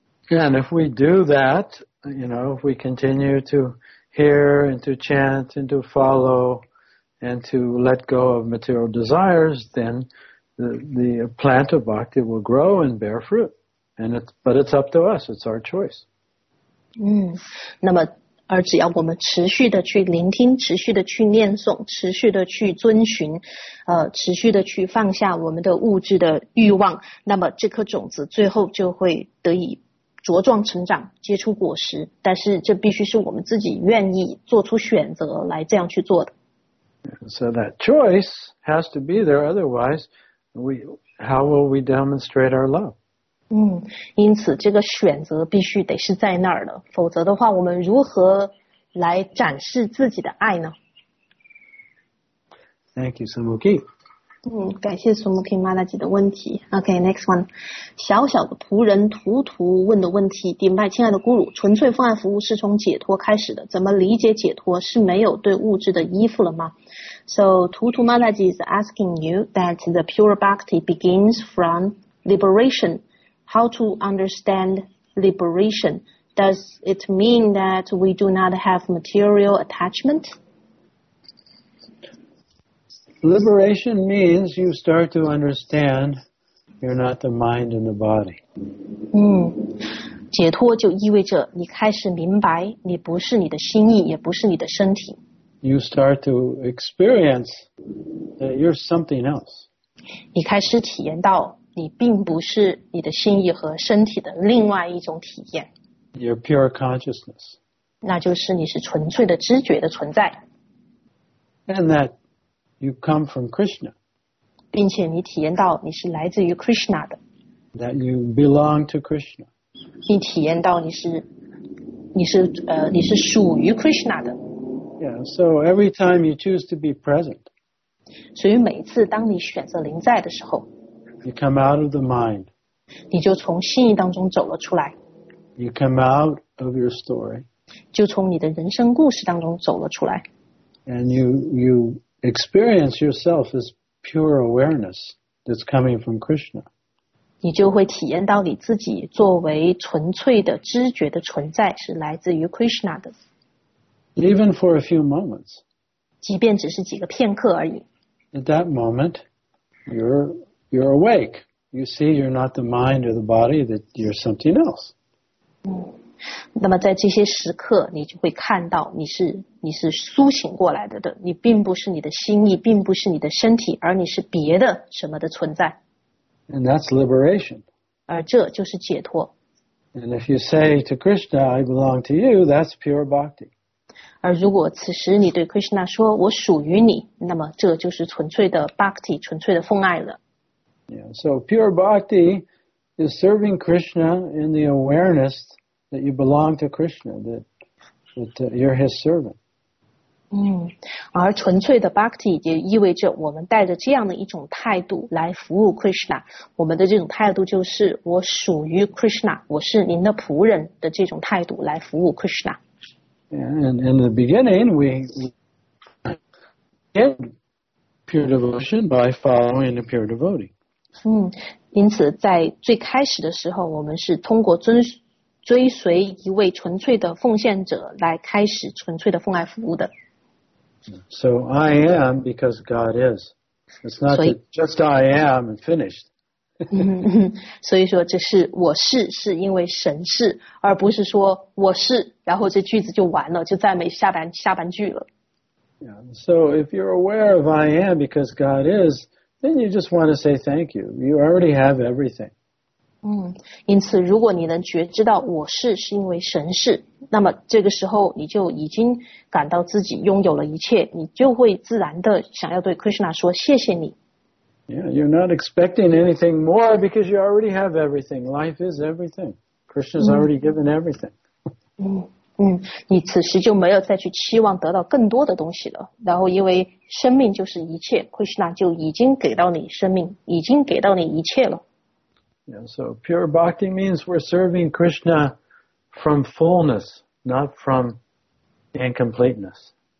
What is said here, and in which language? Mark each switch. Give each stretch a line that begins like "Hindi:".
English: And if we do that,you know, if we continue to hear and to chant and to follow and to let go of material desires, then the plant of bhakti will grow and bear fruit. But it's up to us. It's our choice.
Chinese: 那么而只要我们持续的去聆听，持续的去念诵，持续的去遵循，持续的去放下我们的物质的欲望，那么这颗种子最后就会得以茁壮成长，结出果实，但是这必须是我们自己愿意做出选择来这样去做的。
English: So that choice has to be there, otherwise, how will we demonstrate our love?
Chinese: 因此这个选择必须得是在那儿的，否则的话，我们如何来展示自己的爱呢？
English: Thank you, Sumukhi.
Chinese: 感谢苏穆 K 妈妈姐的问题。
English: OK, next one.
Chinese: 小小的仆人图图问的问题，顶拜亲爱的咕噜，纯粹奉爱服务是从解脱开始的，怎么理解解脱是没有对物质的依附了吗？
English: So, 图图妈妈姐 is asking you that the pure bhakti begins from liberation. How to understand liberation? Does it mean that we do not have material attachment? Liberation means you start to understand you're not the mind and the body.
Chinese: 解脱就意味着你开始明白你不是你的心意，也不是你的身体。
English: you start to experience that you're something else.
Chinese: 你开始体验到你并不是你的心意和身体的另外一种体验。
English: Your pure consciousness.
Chinese: 那就是你是纯粹的知觉的存在。
English: And that you come from Krishna.
Chinese: 并且你体验到你是来自于 Krishna 的。
English: That you belong to Krishna.
Chinese: 你体验到你是属于 Krishna 的。
English: Yeah, so every time you choose to be present.
Chinese: 所以每次当你选择临在的时候。
English: You come out of the mind.
Chinese: 你就从心意当中走了出来。
English: You come out of your story.
Chinese: 就从你的人生故事当中走了出来。
English: And you experience yourself as pure awareness that's coming from Krishna.
Chinese: 你就会体验到你自己作为纯粹的知觉的存在是来自于 Krishna 的。
English: Even for a few moments.
Chinese: 即便只是几个片刻而已。
English: At that moment, you're awake. You see you're not the mind or the body, that you're something else.
Chinese: 那么在这些时刻你就会看到你是苏醒过来的，你并不是你的心意，并不是你的身体，而你是别的什么的存在。
English: And that's liberation.
Chinese: 而这就是解脱。
English: And if you say to Krishna, I belong to you, that's pure bhakti.
Chinese: 而如果此时你对 Krishna 说我属于你，那么这就是纯粹的 bhakti, 纯粹的奉爱了。
English: Yeah, so pure bhakti is serving Krishna in the awareness that you belong to Krishna, that you're his servant.
Chinese: 而纯粹的 bhakti 也意味着我们带着这样的一种态度来服务 Krishna. 我们的这种态度就是我属于 Krishna, 我是您的仆人的这种态度来服务 Krishna.
English: Yeah, and in the beginning, we get pure devotion by following a pure devotee.
Chinese: 因此在最开始的时候我们是通过追随一位纯粹的奉献者来开始纯粹的奉爱服务的。
English: So I am because God is. It's not just I am and finished.
Chinese: 所以说这是我是因为神是，而不是说我是然后这句子就完了，就再没下半句了。
English: Yeah, so if you're aware of I am because God is,Then you just want to say thank you. You already have everything.
Chinese: 因此如果你能觉知到我是因为神是，那么这个时候你就已经感到自己拥有了一切，你就会自然的想要对 Krishna 说谢谢你。
English: Yeah, you're not expecting anything more because you already have everything. Life is everything. Krishna's already given everything.
Chinese: 你此时就没有再去期望得到更多的东西了，然后因为生命就是一切， Krishna 就已经给到你生命，已经给到你一切了。
English: Yeah, so pure bhakti means we're serving Krishna from fullness, not from incompleteness.